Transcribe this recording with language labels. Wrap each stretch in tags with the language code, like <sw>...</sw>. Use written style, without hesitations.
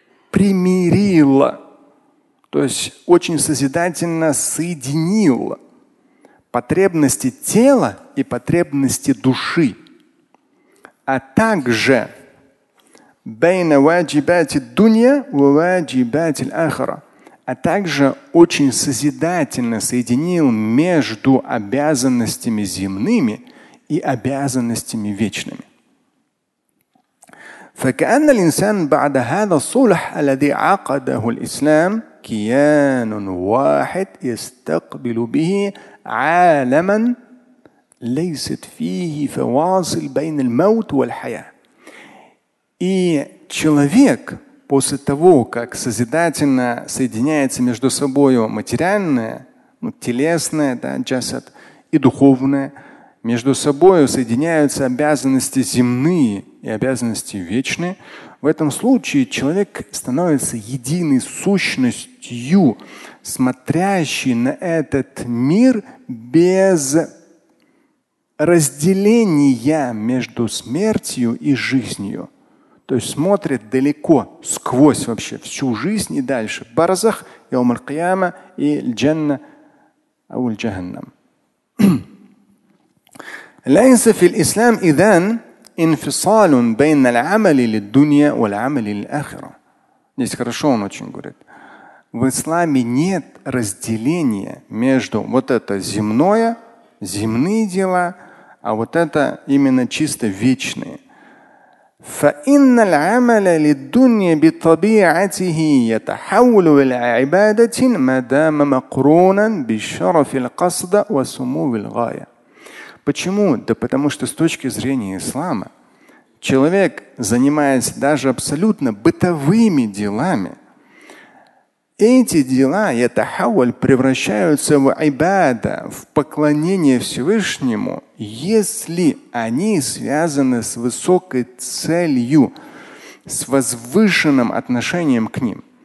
<ru>примирило, то есть очень созидательно соединило потребности тела и потребности души, а также</ru> <ar>бейна ваджибати дунья ва ваджибати ахра,</ar> <ru>а также очень созидательно соединил между обязанностями земными и обязанностями вечными.</ru> <ar>فكأن الإنسان بعد هذا الصلح الذي عقده الإسلام كيان واحد يستقبل به عالما ليست فيه فواصل بين الموت والحياة.</ar> <ru>И человек после того, как созидательно соединяется между собой материальное, ну, телесное, да, джасад, и духовное, между собой соединяются обязанности земные и обязанности вечные. В этом случае человек становится единой сущностью, смотрящей на этот мир без разделения между смертью и жизнью. То есть смотрит далеко, сквозь вообще всю жизнь и дальше.</ru> <ar>Барзах, йаум аль-кияма и джанна ау аль-джаханнам. ليس في الإسلام إذن انفصال بين العمل للدنيا والعمل للآخرة.</ar> <ru>Здесь хорошо он очень говорит. В исламе нет разделения между вот это земное, земные дела, а вот это именно чисто вечные.</ru> <ar>فإن العمل للدنيا بطبيعته يتحول إلى عبادة ما دام مقرونا بالشرف القصد وسمو الغاية.</ar> <ru>Почему? Да потому что с точки зрения ислама человек, занимаясь даже абсолютно бытовыми делами, эти дела, это хауль, превращаются в айбада, в поклонение Всевышнему, если они связаны с высокой целью, с возвышенным отношением к ним.</ru>